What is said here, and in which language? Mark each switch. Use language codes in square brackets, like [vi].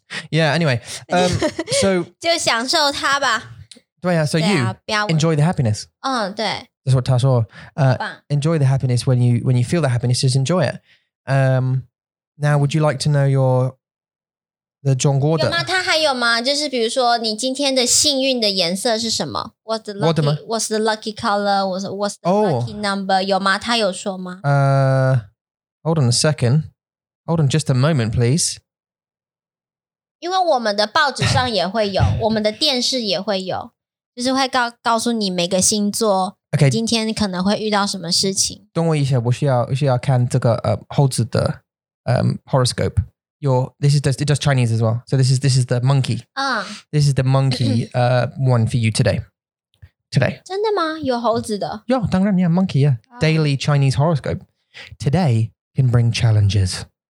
[en] Yeah, anyway. So [zh] 就享受它吧. [en] Right, yeah, so you enjoy the happiness. [zh] Oh, 对. [en] That's what [zh] 他说. [en] Enjoy the happiness when you feel the happiness, just enjoy it. Now, would you like to know the [zh] 中国的? 有吗?它还有吗? 就是比如说你今天的幸运的颜色是什么? [en] What's the lucky color? What's the lucky number? [zh] 有吗?它有说吗? [en] Hold on a second. Hold on just a moment, please. [zh] 因为我们的报纸上也会有, 我们的电视也会有, 就是会告诉你每个星座, [en] Okay. [zh] 今天可能会遇到什么事情? 等我一下, 我需要看这个, Hou子的, horoscope. [en] It does Chinese as well. So this is the monkey. This is the monkey one for you today. today. [zh] 真的吗?有猴子的? 有,当然, [en] yeah, monkey, yeah. Daily Chinese horoscope. Today can bring challenges.